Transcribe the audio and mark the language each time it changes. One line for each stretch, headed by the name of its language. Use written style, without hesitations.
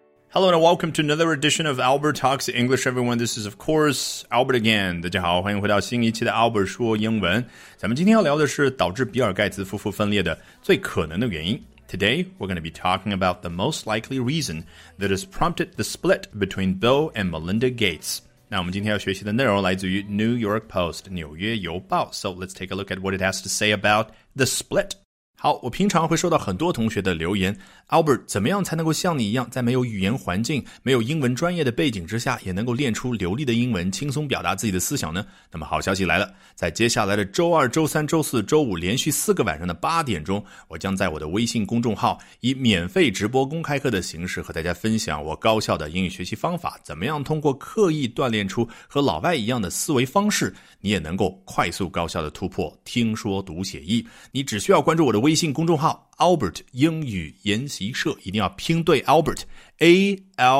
English: Hello and welcome to another edition of Albert Talks English, everyone. This is, of course, Albert again.
Chinese: 大家好，欢迎回到新一期的 Albert 说英文。咱们今天要聊的是导致比尔盖茨夫妇分裂的最可能的原因。
English: Today, we're going to be talking about the most likely reason that has prompted the split between Bill and Melinda Gates.
Chinese: 那我们今天要学习的内容来自于 New York Post, 纽约邮报。
English: So let's take a look at what it has to say about the split.
Chinese: 好，我平常会收到很多同学的留言 Albert, 怎么样才能够像你一样在没有语言环境没有英文专业的背景之下也能够练出流利的英文轻松表达自己的思想呢那么好消息来了在接下来的周二周三周四周五连续四个晚上的八点钟我将在我的微信公众号以免费直播公开课的形式和大家分享我高效的英语学习方法怎么样通过刻意锻炼出和老外一样的思维方式你也能够快速高效的突破听说读写译你只需要关注我的微信公众号 Albert 英语研习社一定要拼对 Albert A-L-B-E-R-T